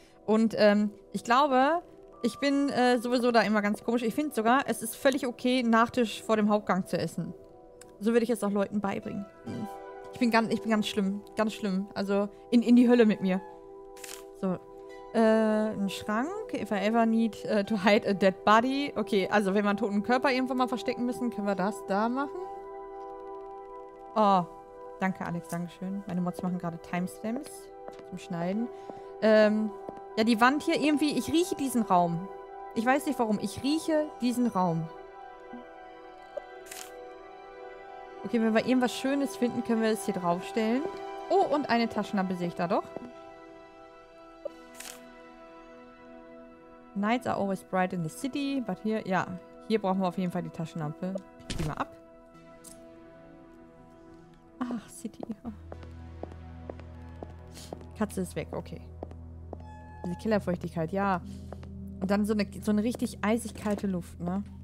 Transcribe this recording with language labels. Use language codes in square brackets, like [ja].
[de] Und ich glaube, ich bin sowieso da immer ganz komisch. Ich finde sogar, es ist völlig okay, Nachtisch vor dem Hauptgang zu essen. So würde ich es auch Leuten beibringen. Ich bin ganz schlimm. Ganz schlimm. Also in die Hölle mit mir. So. Ein Schrank. [en] If I ever need to hide a dead body. [de] Okay, also wenn wir einen toten Körper irgendwann mal verstecken müssen, können wir das da machen. Oh, danke Alex, dankeschön. Meine Mods machen gerade Timestamps zum Schneiden. Ja, die Wand hier irgendwie, ich rieche diesen Raum. Ich weiß nicht warum, ich rieche diesen Raum. Okay, wenn wir irgendwas Schönes finden, können wir es hier draufstellen. Oh, und eine Taschenlampe sehe ich da doch. [en] Nights are always bright in the city, but here, [de] ja. Hier brauchen wir auf jeden Fall die Taschenlampe. Pick die mal ab. Ach, City. Katze ist weg, okay. Diese Kellerfeuchtigkeit, ja. Und dann so eine richtig eisig kalte Luft, ne?